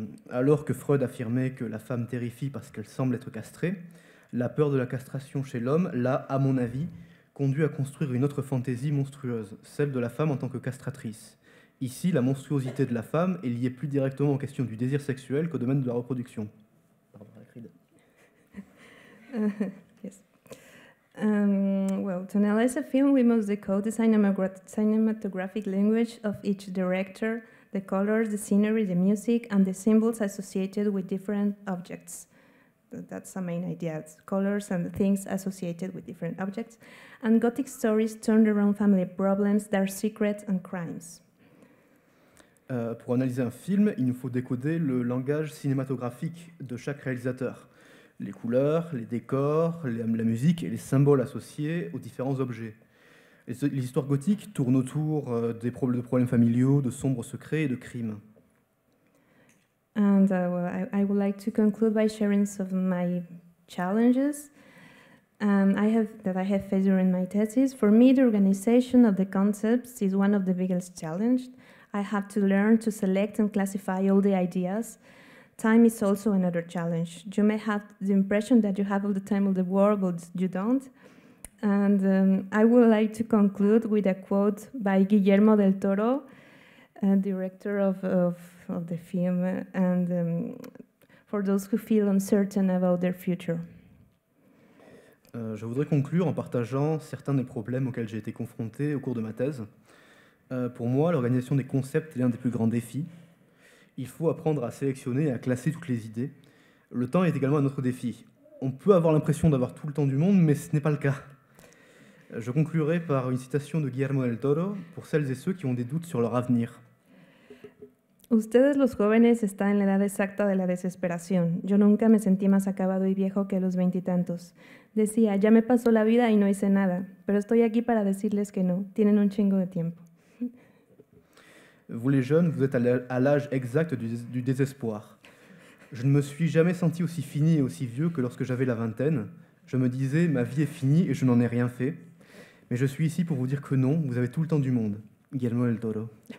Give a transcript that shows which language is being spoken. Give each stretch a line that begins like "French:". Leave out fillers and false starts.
French: Alors que Freud affirmait que la femme terrifie parce qu'elle semble être castrée, la peur de la castration chez l'homme l'a, à mon avis, conduit à construire une autre fantaisie monstrueuse, celle de la femme en tant que castratrice. Ici, la monstruosité de la femme est liée plus directement aux questions du désir sexuel qu'au domaine de la reproduction. Barbara Creed.
English: To analyze a film, we must decode the cinematographic language of each director, the colors, the scenery, the music, and the symbols associated with different objects. That's the main idea, it's colors and things associated with different objects. And gothic stories turn around family problems, their secrets and crimes.
French: Pour analyser un film, il nous faut décoder le langage cinématographique de chaque réalisateur. Les couleurs, les décors, la musique et les symboles associés aux différents objets. Les histoires gothiques tournent autour des problèmes familiaux, de sombres secrets et de crimes.
English: And I would like to conclude by sharing some of my challenges I have faced during my thesis. For me, the organization of the concepts is one of the biggest challenges. I have to learn to select and classify all the ideas. Time is also another challenge. You may have the impression that you have all the time of the world, but you don't. And I would like to conclude with a quote by Guillermo del Toro, director of the film, and for those who feel uncertain about their future.
French: Je voudrais conclure en partageant certains des problèmes auxquels j'ai été confronté au cours de ma thèse. Pour moi, l'organisation des concepts est l'un des plus grands défis. Il faut apprendre à sélectionner et à classer toutes les idées. Le temps est également un autre défi. On peut avoir l'impression d'avoir tout le temps du monde, mais ce n'est pas le cas. Je conclurai par une citation de Guillermo del Toro pour celles et ceux qui ont des doutes sur leur avenir.
Spanish: Ustedes los jóvenes están en la edad exacta de la desesperación. Yo nunca me sentí más acabado y viejo que los veintitantos. Decía, ya me pasó la vida y no hice nada, pero estoy aquí para decirles que no. Tienen un chingo de tiempo.
French: Vous les jeunes, vous êtes à l'âge exact du désespoir. Je ne me suis jamais senti aussi fini et aussi vieux que lorsque j'avais la vingtaine. Je me disais, ma vie est finie et je n'en ai rien fait. Mais je suis ici pour vous dire que non, vous avez tout le temps du monde. Guillermo del Toro.